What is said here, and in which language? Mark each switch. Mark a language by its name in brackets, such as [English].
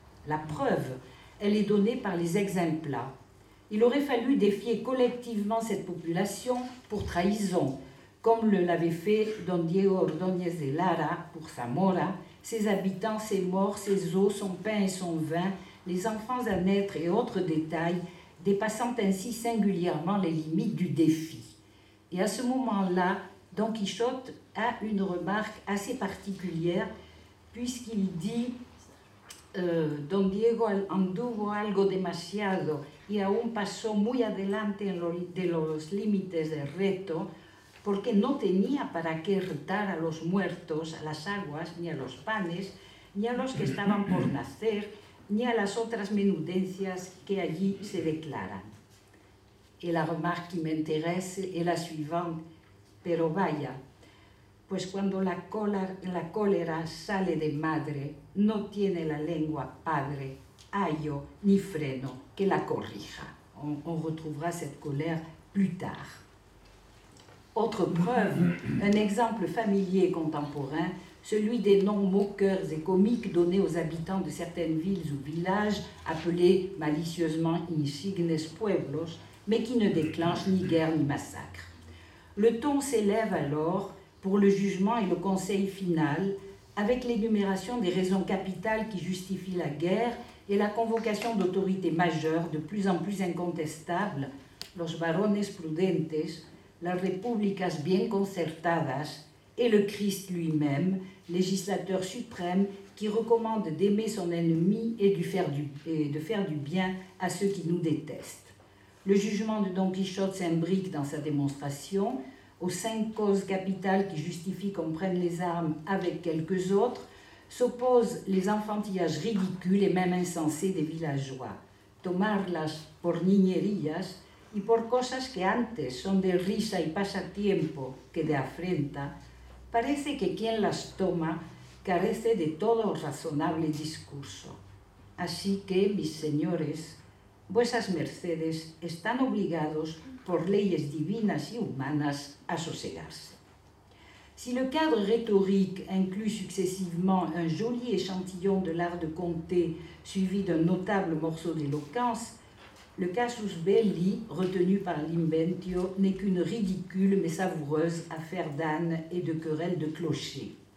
[French] La preuve, elle est donnée par les exemplats. Il aurait fallu défier collectivement cette population pour trahison, comme le l'avait fait Don Diego Ordóñez de Lara pour Zamora, ses habitants, ses morts, ses eaux, son pain et son vin, les enfants à naître et autres détails, dépassant ainsi singulièrement les limites du défi. Et à ce moment-là, Don Quichotte a une remarque assez particulière, puisqu'il dit [Spanish] « Don Diego anduvo algo demasiado y aún pasó muy adelante en lo, de los límites del reto, porque no tenía para qué retar a los muertos, a las aguas, ni a los panes, ni a los que estaban por nacer, ni a las otras menudencias que allí se declaran. Y [French] la remarque qui m'intéresse [Spanish] es [French] la suivante, [Spanish] pero vaya, pues cuando la cólera sale de madre, no tiene la lengua padre, ayo, ni freno, que la corrija. [French] On retrouvera cette colère plus tard. Autre preuve, un exemple familier et contemporain, celui des noms moqueurs et comiques donnés aux habitants de certaines villes ou villages, appelés malicieusement insignes pueblos, mais qui ne déclenchent ni guerre ni massacre. Le ton s'élève alors pour le jugement et le conseil final, avec l'énumération des raisons capitales qui justifient la guerre et la convocation d'autorités majeures de plus en plus incontestables, [Spanish] los varones prudentes, las repúblicas bien concertadas [French] et le Christ lui-même, législateur suprême, qui recommande d'aimer son ennemi et de faire du bien à ceux qui nous détestent. Le jugement de Don Quichotte s'imbrique dans sa démonstration, aux cinq causes capitales qui justifient qu'on prenne les armes avec quelques autres, s'opposent les enfantillages ridicules et même insensés des villageois. [Spanish] Tomarlas por niñerías y por cosas que antes son de risa y pasatiempo que de afrenta, parece que quien las toma carece de todo razonable discurso. Así que, mis señores, vuestras mercedes están obligados por leyes divinas y humanas a sosegarse. [French] Si le cadre rhétorique inclut successivement un joli échantillon de l'art de conter suivi d'un notable morceau d'éloquence, le casus belli retenu par l'inventio n'est qu'une ridicule mais savoureuse affaire d'âne et de querelle de clocher.